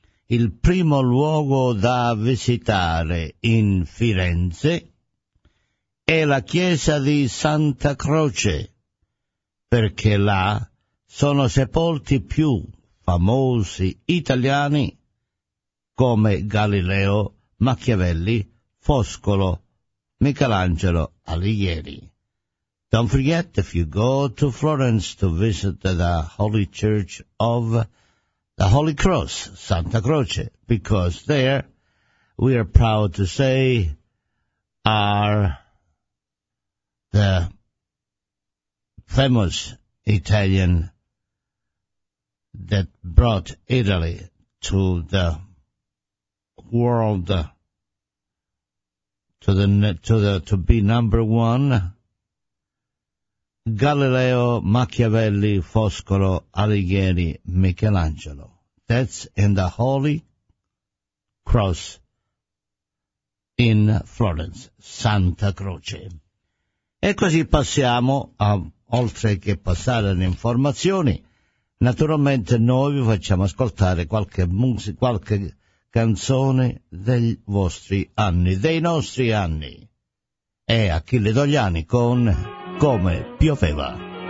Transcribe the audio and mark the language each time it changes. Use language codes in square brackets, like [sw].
[it] il primo luogo da visitare in Firenze è la chiesa di Santa Croce, perché là sono sepolti i più famosi italiani come Galileo, Machiavelli, Foscolo, Michelangelo, Alighieri. [en] Don't forget, if you go to Florence to visit the Holy Church of the Holy Cross, Santa Croce, because there, we are proud to say, are the famous Italian that brought Italy to the world, to be number one. Galileo, Machiavelli, Foscolo, Alighieri, Michelangelo. That's in the Holy Cross in Florence, Santa Croce. [it] E così passiamo, oltre che passare le informazioni, naturalmente noi vi facciamo ascoltare qualche canzone dei vostri anni, dei nostri anni. E Achille Togliani con Come pioveva.